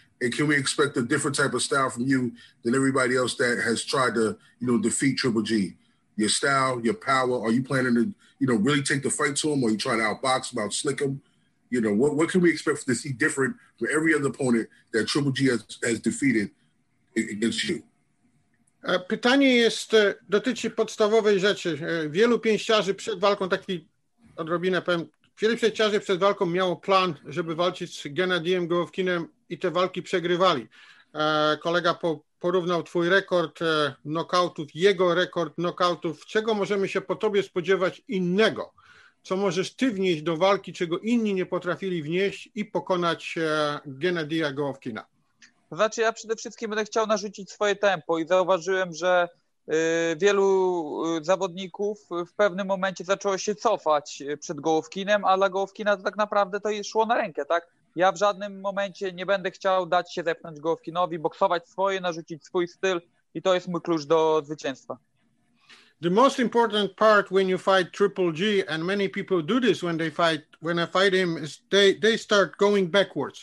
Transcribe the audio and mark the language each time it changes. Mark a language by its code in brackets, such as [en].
[en] And can we expect a different type of style from you than everybody else that has tried to, you know, defeat Triple G? Your style, your power, are you planning to, you know, really take the fight to him? Or are you trying to outbox him, outslick him? You know, what can we expect to see different from every other opponent that Triple G has defeated against you? [pl] Pytanie jest, dotyczy podstawowej rzeczy. Wielu pięściarzy przed walką, taki odrobinę powiem, wielu pięściarzy przed walką miało plan, żeby walczyć z Gennadyem Golovkinem i te walki przegrywali. Kolega porównał twój rekord knockoutów, jego rekord knockoutów. Czego możemy się po tobie spodziewać innego? Co możesz ty wnieść do walki, czego inni nie potrafili wnieść i pokonać Gennadya Golovkina? Znaczy, ja przede wszystkim będę chciał narzucić swoje tempo i zauważyłem, że wielu zawodników w pewnym momencie zaczęło się cofać przed Golovkinem, a dla Golovkina to tak naprawdę to szło na rękę, tak? Ja w żadnym momencie nie będę chciał dać się zepchnąć Golovkinowi, boksować swoje, narzucić swój styl i to jest mój klucz do zwycięstwa. [en] The most important part when you fight Triple G, and many people do this when they fight, when I fight him, is they start going backwards.